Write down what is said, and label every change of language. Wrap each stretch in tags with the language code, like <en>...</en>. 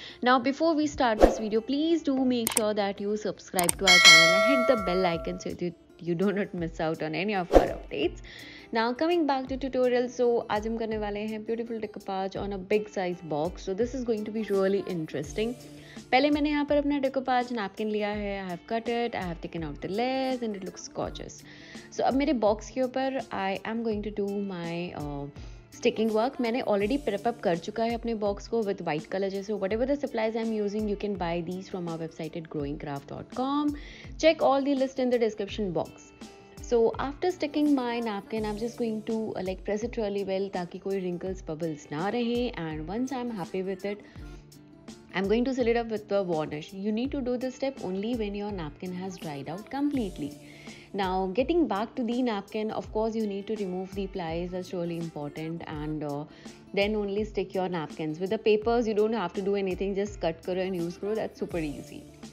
<en>Now before we start this video, please do make sure that you subscribe to our channel and hit the bell icon so that you do not miss out on any of our updates. Now coming back to tutorial, so</en> <hi>आज हम करने वाले हैं</hi> <en>beautiful decoupage on a big size box. So this is going to be really interesting.</en> <hi>पहले मैंने यहाँ पर अपना डेकोपाज नैपकिन लिया है.</hi> <en>I have cut it, I have taken out the lace and it looks gorgeous. So</en> <hi>अब मेरे box के ऊपर</hi> <en>I am going to do my sticking work.</en> <hi>मैंने ऑलरेडी प्रेपअप कर चुका है अपने बॉक्स को</hi> <en>With white colour. जैसे whatever the supplies I am using, you can buy these from our website at growingcraft.com. Check all the list in the description box. So after sticking my napkin I am just going to like press it really well</en> <hi>ताकि कोई wrinkles bubbles ना रहे.</hi> <en>And once I am happy with it, I'm going to seal it up with the varnish. You need to do this step only when your napkin has dried out completely. Now, getting back to the napkin, of course, you need to remove the plies. That's really important. And then only stick your napkins. With the papers, you don't have to do anything. Just cut karo and use karo. That's super easy.</en>